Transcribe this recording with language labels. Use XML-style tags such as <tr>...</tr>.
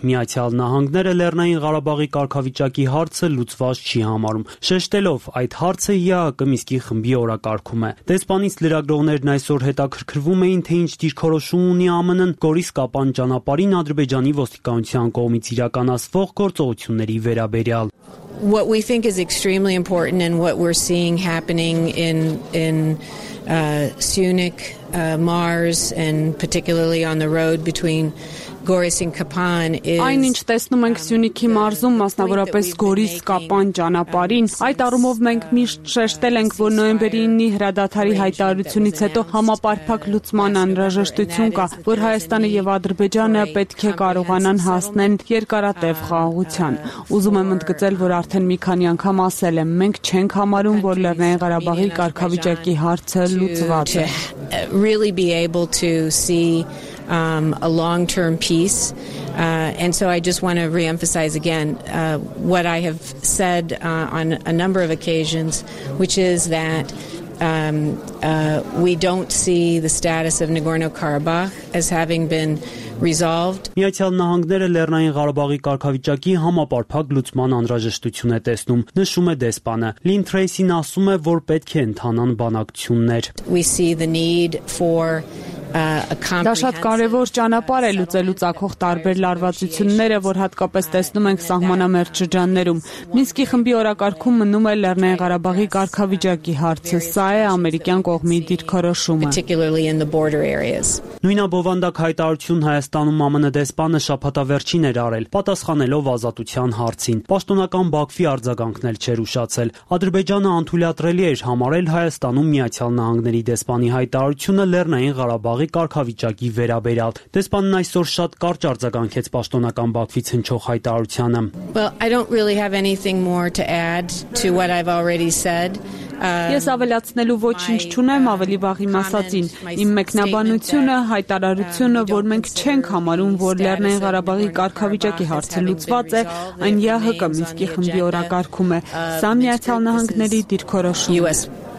<hy>Միացյալ Նահանգները Լեռնային Ղարաբաղի կարգավիճակի հարցը լուծված չի համարում, շեշտելով, այդ հարցը ԵԱՀԿ Միսկի խմբի օրակարգում է։ Դեսպանից լրագրողներն այսօր հետաքրքրվում էին, թե ինչ դիրքորոշում ունի ԱՄՆ-ն Գորիս Կապան ճանապարհին Ադրբեջանի ոստիկանության կողմից իրականացվող գործողությունների վերաբերյալ։</hy> <en>What we think is extremely important and what we're seeing happening in Sunik, Mars, and particularly on the road between Goris and Kapan is</en> <hy>Այն ինչ տեսնում ենք Սյունիքի մարզում, մասնավորապես Գորիս Կապան ճանապարհին, այդ առումով մենք միշտ շեշտել ենք, որ նոյեմբերի 9-ի հրադադարի հայտարարությունից հետո համապարփակ լուծման անհրաժեշտություն կա, որ Հայաստանը եւ Ադրբեջանը պետք է կարողանան հասնել երկարատև խաղաղության։ Ուզում եմ ընդգծել, որ արդեն մի քանի անգամ ասել եմ, մենք չենք համարում, որ Լեռնային Ղարաբաղի կարգավիճակի հարցը լուծված է.</hy> <en>Really be able to see a long-term peace. And so I just want to reemphasize again what I have said on a number of occasions, which is that we don't see the status of Nagorno-Karabakh as having been resolved.</en> <hy>Միացյալ Նահանգները Լեռնային Ղարաբաղի կարգավիճակի համապարփակ լուծման անհրաժեշտություն է տեսնում, նշում է դեսպանը։ Լին Թրեյսին ասում է, որ պետք է ընթանան բանակցություններ.</hy> <en>We see the need for</en> <hy>Դա շատ կարևոր ճանապարհ է լուծելու ցակող տարբեր լարվածությունները, որ հատկապես տեսնում ենք սահմանամերջ շրջաններում։ Մինսկի խմբի օրակարգում մնում է Լեռնային Ղարաբաղի կարգավիճակի հարցը, սա է ամերիկյան կողմի դիրքորոշումը։ Նույնաբովանդակ հայտարարություն Հայաստանում ԱՄՆ դեսպանը շաբաթավերջին էր արել, պատասխանելով ազատության հարցին։ Պաշտոնական Բաքվի արձագանքն էլ չէր ուշացել։ Ադրբեջանը անթույլատրելի էր համարել Հայաստանում Միացյալ Նահանգների դեսպանի հայտարարությունը Լեռնային Ղարաբաղի կարգավիճակի վերաբերյալ։ Դեսպանն այսօր շատ կարճ արձագանքեց պաշտոնական Բաքվից հնչող հայտարարությանը։</hy> <en>Well, I don't really have anything more to add to what I've already said.</en> <hy>Ես ավելացնելու ոչինչ չունեմ ավելի վաղ իմ ասածին։ Իմ մեկնաբանությունը, հայտարարությունը, որ մենք չենք համարում, որ Լեռնային Ղարաբաղի կարգավիճակի հարցը լուծված է, այն ԵԱՀԿ Մինսկի խմբի օրակարգում է։ Սա Միացյալ Նահանգների դիրքորոշումը։</hy>